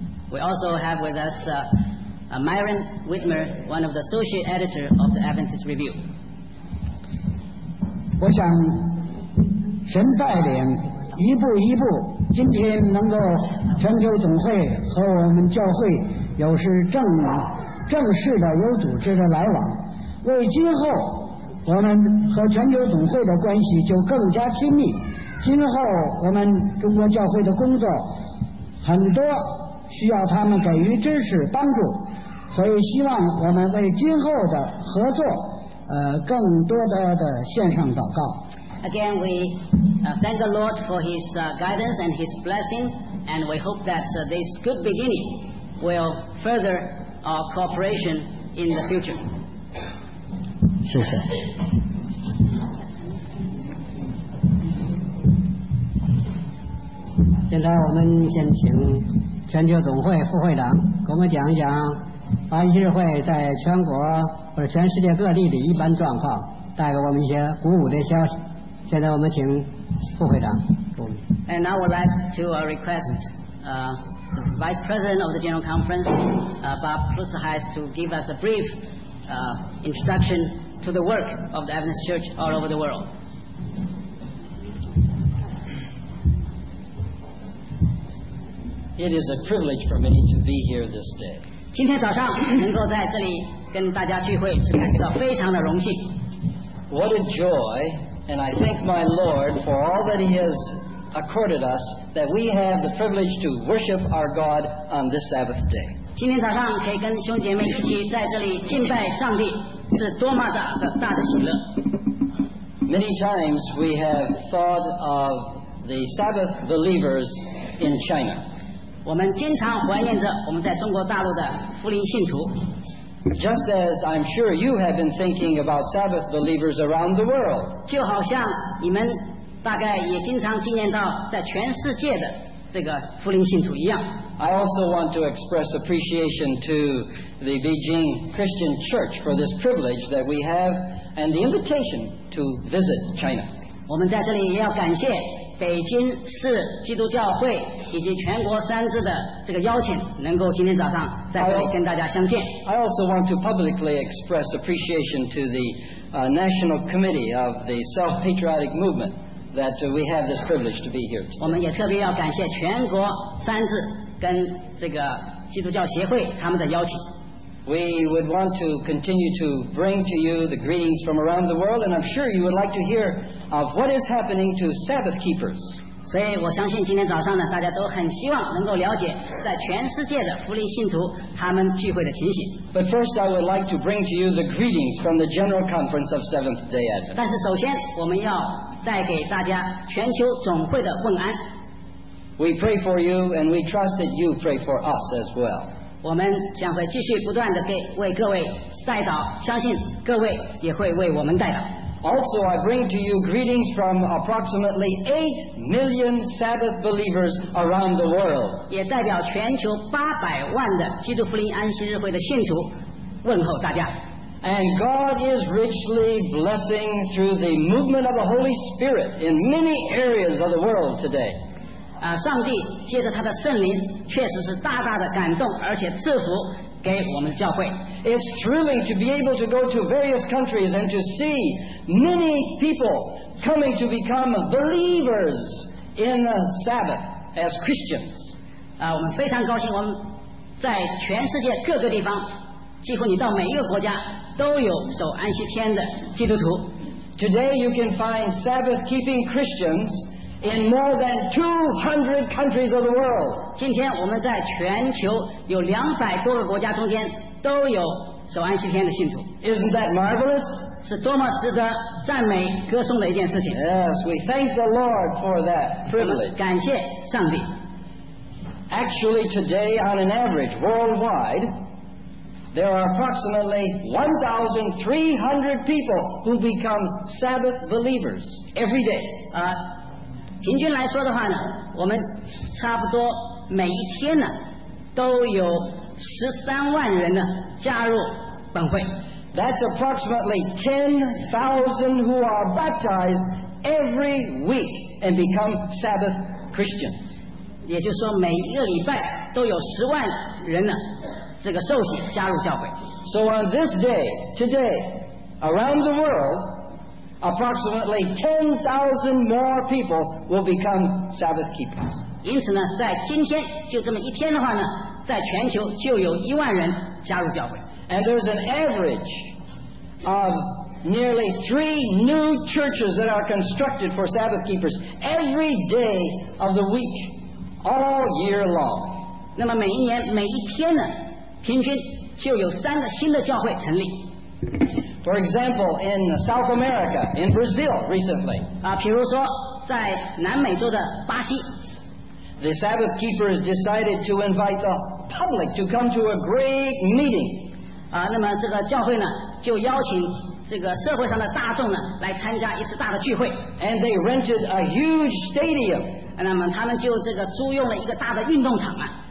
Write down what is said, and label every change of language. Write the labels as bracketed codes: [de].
[en] We also have with us Myron Whitmer, one of the associate editor of the Adventist Review. [zh] 我想神带领一步一步，今天能够全球总会和我们教会有是正式的有组织的来往。为今后我们和全球总会的关系就更加亲密，今后我们中国教会的工作很多需要他们给予支持帮助，所以希望我们为今后的合作更多的献上祷告。 [en] Again we thank the Lord for his guidance and his blessing, and we hope that this good beginning will further our cooperation in the future. [zh] 谢谢。现在我们先请全球总会副会长给我们讲一讲安息日会在全国或者全世界各地的一般状况，带给我们一些鼓舞的消息。现在我们请副会长给我们。 [en] And I would like to request the Vice President of the General Conference, Bob Plusheis, to give us a brief introduction to the work of the Adventist Church all over the world. It is a privilege for me to be here this day. [zh] 今天早上能够在这里跟大家聚会，是感觉到非常的荣幸。 [en] What a joy, and I thank my Lord for all that He has accorded us, that we have the privilege to worship our God on this Sabbath day. [zh] 今天早上可以跟兄姐妹一起在这里敬拜上帝，是多么大的喜乐。 [en] Many times we have thought of the Sabbath believers in China. [zh] 我们经常怀念着我们在中国大陆的福音信徒。 [en] Just as I'm sure you have been thinking about Sabbath believers around the world. [zh] 就好像你们大概也经常纪念到在全世界的这个福音信徒一样。 [en] I also want to express appreciation to the Beijing Christian Church for this privilege that we have and the invitation to visit China. [zh] 我们在这里也要感谢北京市基督教会以及全国三支的这个邀请，能够今天早上在这里跟大家相见。 [en] I also want to publicly express appreciation to the National Committee of the Self-Patriotic Movement that we have this privilege to be here today. [zh] 我们也特别要感谢全国三支跟这个基督教协会他们的邀请。 [en] We would want to continue to bring to you the greetings from around the world, and I'm sure you would like to hear of what is happening to Sabbath keepers. [zh] 所以我相信今天早上呢，大家都很希望能够了解在全世界的福音信徒他们聚会的情形。 [en] But first, I would like to bring to you the greetings from the General Conference of Seventh-day Adventists. [zh] 但是首先，我们要带给大家全球总会的问安。 [en] We pray for you, and we trust that you pray for us as well. [zh] 我们将会继续不断地为各位代祷，相信各位也会为我们代祷。 [en] Also, I bring to you greetings from approximately 8 million Sabbath believers around the world. [zh] 也代表全球800万的基督福音安息日会的信徒问候大家。 [en] And God is richly blessing through the movement of the Holy Spirit in many areas of the world today. [zh] 上帝借着他的圣灵确实是大大的感动而且赐福给我们教会。 [en] It's thrilling to be able to go to various countries and to see many people coming to become believers in the Sabbath as Christians. [zh] 我们非常高兴我们在全世界各个地方几乎你到每一个国家都有守安息天的基督徒。 [en] Today you can find Sabbath keeping Christians in more than 200 countries of the world. [zh] 今天我们在全球有200多个国家中间都有守安息天的信徒。 [en] Isn't that marvelous? [zh] 是多么值得赞美歌颂的一件事情。 [en] Yes, we thank the Lord for that privilege. [zh] 感谢上帝。 [en] Actually, today, on an average, worldwide, there are approximately 1,300 people who become Sabbath believers every day. [zh] 平均来说的话呢，我们差不多每一天呢，都有130,000人呢加入本会。 [en] That's approximately 10,000 who are baptized every week and become Sabbath Christians. [zh] 也就是说，每一个礼拜都有100,000人呢，这个受洗加入教会。 [en] So on this day, today, around the world. Approximately 10,000 more people will become Sabbath keepers. [zh] 因此呢，在今天就这么一天的话呢，在全球就有10,000人加入教会。 [en] And there's an average of nearly 3 new churches that are constructed for Sabbath keepers every day of the week, all year long. [zh] 那么每一年每一天呢，平均就有3个新的教会成立。 [en] For example, in South America, in Brazil recently, [zh] 比如说在南美洲的巴西 [en] the Sabbath keepers decided to invite the public to come to a great meeting. [zh] 那么这个教会呢，就邀请这个社会上的大众呢，来参加一次大的聚会。 [en] And they rented a huge stadium. [zh] 那么他们就这个租用了一个大的运动场啊。